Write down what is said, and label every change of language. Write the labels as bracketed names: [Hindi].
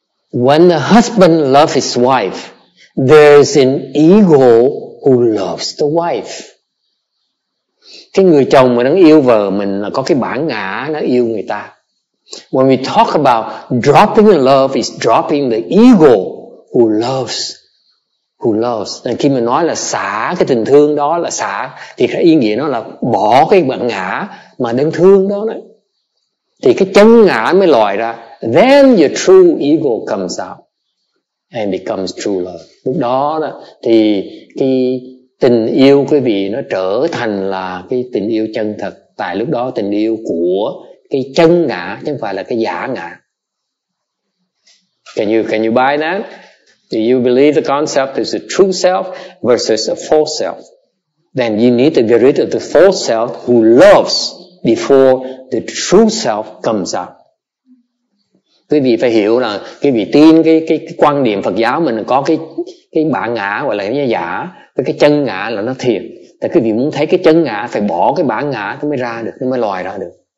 [English] When the husband loves his wife, there's an ego who loves the wife. [Vietnamese] Cái người chồng mà đang yêu vợ mình là có cái bản ngã nó yêu người ta. [English] When we talk about dropping in love is dropping the ego who loves. [Vietnamese] And khi mà nói là xả cái tình thương đó là xả, thì cái ý nghĩa nó là bỏ cái bản ngã mà đang thương đó đấy. Thì cái chân ngã mới lòi ra. [English] Then your true ego comes out and becomes true love. [Vietnamese] Lúc đó đó thì cái tình yêu quý vị nó trở thành là cái tình yêu chân thật. Tại lúc đó tình yêu của cái chân ngã chứ không phải là cái giả ngã. [English] Can you buy that? Do you believe the concept is a true self versus a false self? Then you need to get rid of the false self who loves before the true self comes up. [Vietnamese] Quý vị phải hiểu là quý vị tin cái quan điểm Phật giáo mình có cái bản ngã gọi là cái giả với cái chân ngã là nó thiệt. Tại quý vị muốn thấy cái chân ngã phải bỏ cái bản ngã nó mới ra được, nó mới lòi ra được.